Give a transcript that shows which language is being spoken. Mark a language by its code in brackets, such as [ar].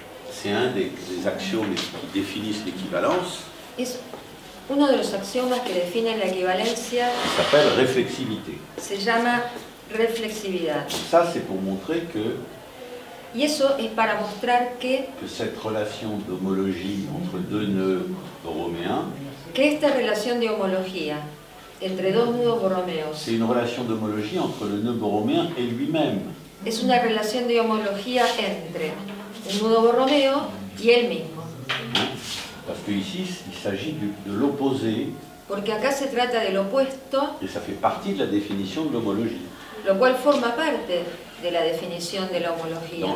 [fr] C'est un des axiomes qui définissent l'équivalence. [es] Es uno de los axiomas que definen la equivalencia. [fr] S'appelle réflexivité. [es] Se llama reflexividad. [fr] Ça c'est pour montrer que. [es] Y eso es para mostrar que [fr] cette relation d'homologie entre deux nœuds borroméens, [es] que esta relación de homología entre dos nudos borromeos. [fr] C'est une relation d'homologie entre le nœud borroméen et lui-même. [es] Es una relación de homología entre un nudo borromeo y él mismo. [fr] Parce que ici, il s'agit de l'opposé. [es] Porque acá se trata de lo opuesto. [fr] Et ça fait partie de la définition de l'homologie. [es] Lo cual forma parte de la definición de la homología.